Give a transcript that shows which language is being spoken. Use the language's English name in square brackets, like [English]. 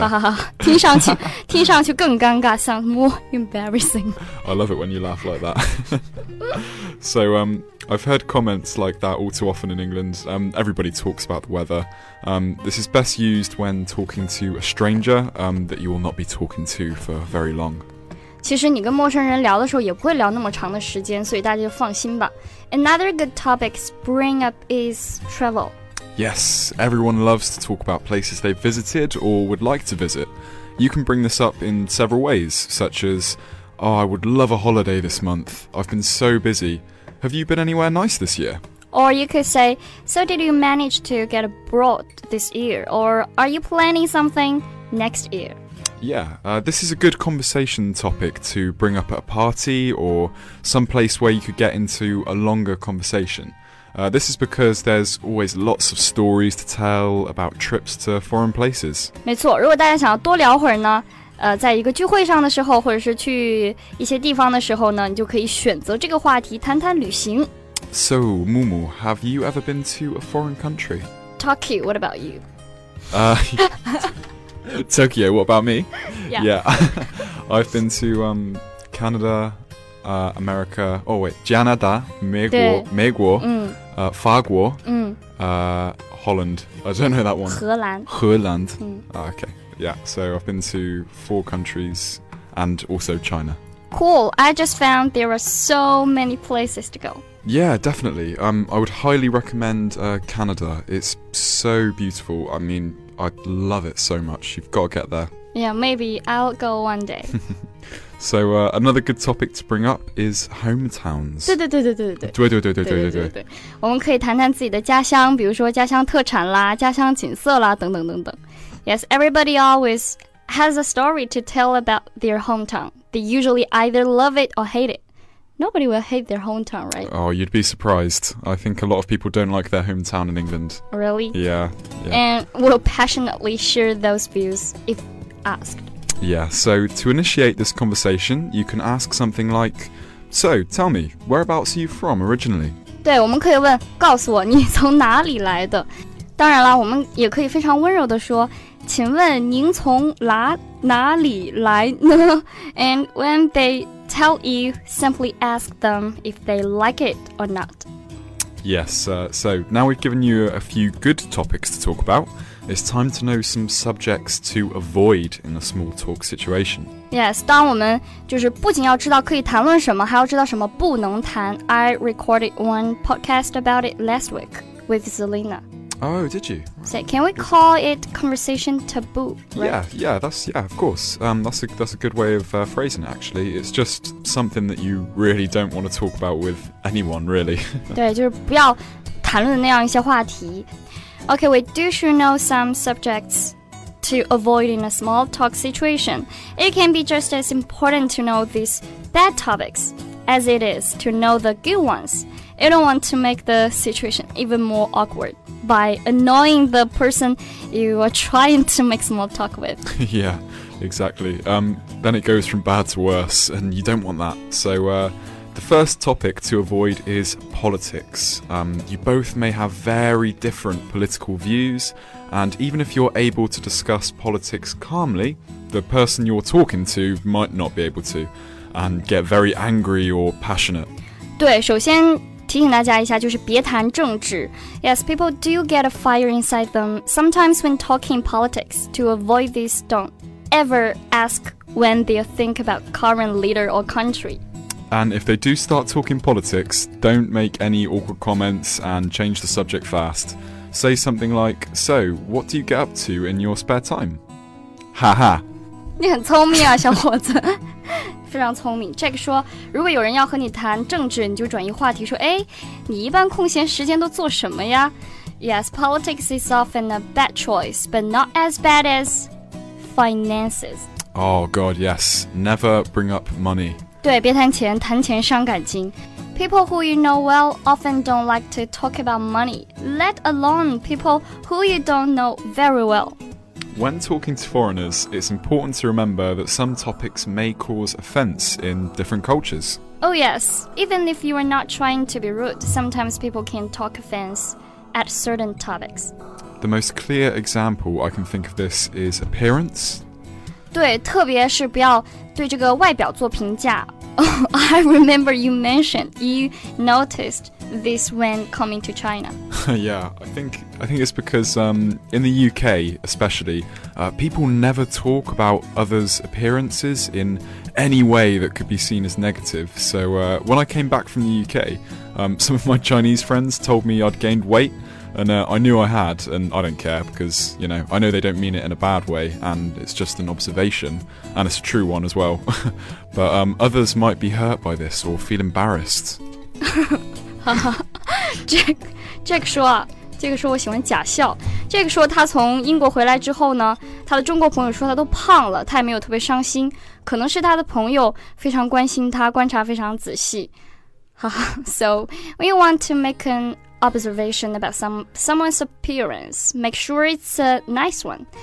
[Chinese] 哈哈哈，听上去更尴尬， [English] sounds more embarrassing. I love it when you laugh like that. So, I've heard comments like that all too often in England. Everybody talks about the weather. This is best used when talking to a stranger, that you will not be talking to for very long. [Chinese] 其实你跟陌生人聊的时候也不会聊那么长的时间，所以大家就放心吧。 [English] Another good topic to bring up is travel. Yes, everyone loves to talk about places they've visited or would like to visit. You can bring this up in several ways, such as, Oh, I would love a holiday this month. I've been so busy. Have you been anywhere nice this year? Or you could say, So did you manage to get abroad this year? Or are you planning something next year? Yeah, this is a good conversation topic to bring up at a party or some place where you could get into a longer conversation. This is because there's always lots of stories to tell about trips to foreign places. [Chinese] 没错，如果大家想要多聊会儿呢，在一个聚会上的时候，或者是去一些地方的时候呢，你就可以选择这个话题谈谈旅行。 [English] So, Mumu, have you ever been to a foreign country? Tokyo, what about you? Tokyo, what about me? Yeah. Yeah. I've been to Canada, America, oh wait, Canada, [Chinese] 美国、法国、 [English] Holland. I don't know that one. [Chinese] 荷兰。 [English] Okay, yeah, so I've been to four countries and also China. Cool, I just found there are so many places to go. Yeah, definitely. I would highly recommend Canada. It's so beautiful. I mean, I love it so much. You've got to get there. Yeah, maybe. I'll go one day. So, another good topic to bring up is hometowns. [Chinese] 对对对对对对对对对对对对对对。我们可以谈谈自己的家乡，比如说家乡特产啦，家乡景色啦，等等等等。 [English] Yes, everybody always has a story to tell about their hometown. They usually either love it or hate it. Nobody will hate their hometown, right? Oh, you'd be surprised. I think a lot of people don't like their hometown in England. Really? Yeah. And will passionately share those views if asked. Yeah, so to initiate this conversation, you can ask something like, So, tell me, whereabouts are you from originally? [Chinese] 对，我们可以问，告诉我你从哪里来的。当然了，我们也可以非常温柔地说，请问您从哪里来呢？ [English] And when they tell you, simply ask them if they like it or not. Yes, so now we've given you a few good topics to talk about. It's time to know some subjects to avoid in a small talk situation. [Chinese] Yes, 当我们就是不仅要知道可以谈论什么，还要知道什么不能谈。 [English] I recorded one podcast about it last week with Zelina. Oh, did you? So, can we call it conversation taboo?、Right? Yeah, of course. That's a good way of、phrasing it, actually. It's just something that you really don't want to talk about with anyone, really. [Chinese] 对，就是不要谈论那样一些话题。 [English] Okay, we do should know some subjects to avoid in a small talk situation. It can be just as important to know these bad topics as it is to know the good ones. You don't want to make the situation even more awkward by annoying the person you are trying to make small talk with. Yeah, exactly. Then it goes from bad to worse, and you don't want that. So, the first topic to avoid is politics. You both may have very different political views, and even if you're able to discuss politics calmly, the person you're talking to might not be able to, and get very angry or passionate. [Chinese] 对，首先提醒大家一下，就是别谈政治。 [English] Yes, people do get a fire inside them sometimes when talking politics. To avoid this, don't ever ask when they think about current leader or country. And if they do start talking politics, don't make any awkward comments and change the subject fast. Say something like, So, what do you get up to in your spare time? Ha ha. [Chinese] 你很聪明啊，小伙子。非常聪明。 Jack 说，如果有人要和你谈政治，你就转移话题说，哎，你一般空闲时间都做什么呀？ [English] Yes, politics is often a bad choice, but not as bad as finances. Oh God, yes. Never bring up money. [Chinese] 对，别谈钱，谈钱伤感情。 [English] People who you know well often don't like to talk about money, let alone people who you don't know very well. When talking to foreigners, it's important to remember that some topics may cause offense in different cultures. Oh yes, even if you are not trying to be rude, sometimes people can talk offense at certain topics. The most clear example I can think of this is appearance. [Chinese] 对，特别是不要对这个外表做评价。 [English] I remember you mentioned you noticed this when coming to China. Yeah, I think it's because in the UK especially, people never talk about others' appearances in any way that could be seen as negative. So when I came back from the UK, some of my Chinese friends told me I'd gained weight. And I knew I had, and I don't care because, you know, I know they don't mean it in a bad way and it's just an observation and it's a true one as well. But others might be hurt by this or feel embarrassed. [Chinese] Jack 说啊 ,Jack 说我喜欢假笑。 Jack 说他从英国回来之后呢他的中国朋友说他都胖了他也没有特别伤心。可能是他的朋友非常关心他观察非常仔细。 [English] So, we want to make an... observation about someone's appearance, make sure it's a nice one.